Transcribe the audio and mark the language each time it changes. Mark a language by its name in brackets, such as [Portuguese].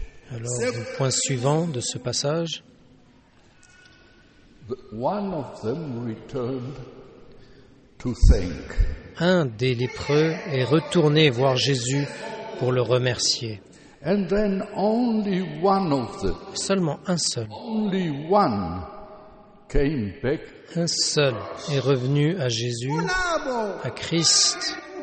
[French] Alors, le point suivant de ce passage. [English] One of them returned to thank. [French] Un des lépreux est retourné voir Jésus pour le remercier. [English] And then only one of them. [French] Seulement un seul. [English] Only one came back. [French] Un seul est revenu à Jésus, à Christ.